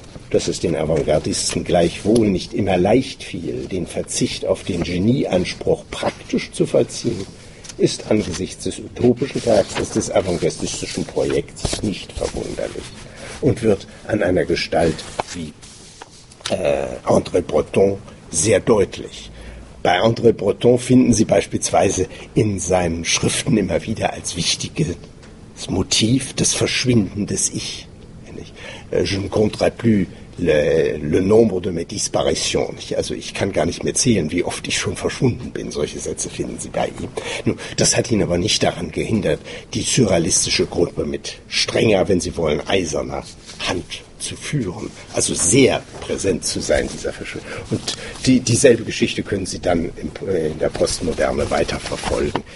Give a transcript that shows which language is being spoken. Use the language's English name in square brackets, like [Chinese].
[German] Dass es den Avantgardisten gleichwohl nicht immer leicht fiel, den Verzicht auf den Genieanspruch praktisch zu vollziehen, ist angesichts des utopischen Charakters des avantgardistischen Projekts nicht verwunderlich und wird an einer Gestalt wie André Breton sehr deutlich. Bei André Breton finden Sie beispielsweise in seinen Schriften immer wieder als wichtiges Motiv das Verschwinden des Ich. [French] Je ne compterai plus le nombre de mes disparitions. [German] Also ich kann gar nicht mehr zählen, wie oft ich schon verschwunden bin. Solche Sätze finden Sie bei ihm. Nun, das hat ihn aber nicht daran gehindert, die surrealistische Gruppe mit strenger, wenn Sie wollen, eiserner Hand zu führen. Also sehr präsent zu sein, dieser Verschwindung. Und dieselbe Geschichte können Sie dann in der Postmoderne weiterverfolgen.